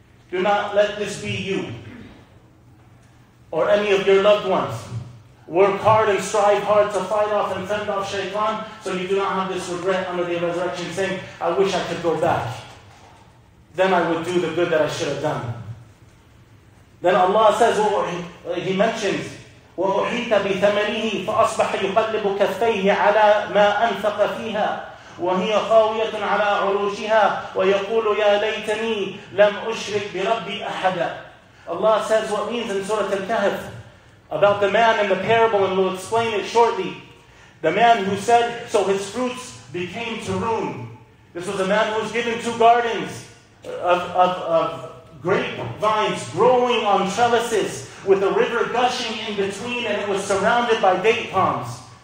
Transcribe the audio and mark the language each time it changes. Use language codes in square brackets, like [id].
[en] Do not let this be you or any of your loved ones. Work hard and strive hard to fight off and fend off shaitan so you do not have this regret under the resurrection saying, I wish I could go back. Then I would do the good that I should have done. Then Allah says, He mentions, [ar] وَأُحِيطَ بِثَمَرِهِ فَأَصْبَحَ يُقَلِّبُ كَفَّيْهِ عَلَى مَا أَنْفَقَ فِيهَا وَهِيَ خَاوِيَةٌ عَلَى عُرُوشِهَا وَيَقُولُ يَا لَيْتَنِي لَمْ أُشْرِكْ بِرَبِّي أَحَدًا. [en] Allah says what means in Surah Al-Kahf about the man in the parable, and we'll explain it shortly. The man who said, so his fruits became to ruin. This was a man who was given two gardens of grape vines growing on trellises with a river gushing in between, and it was surrounded by date palms.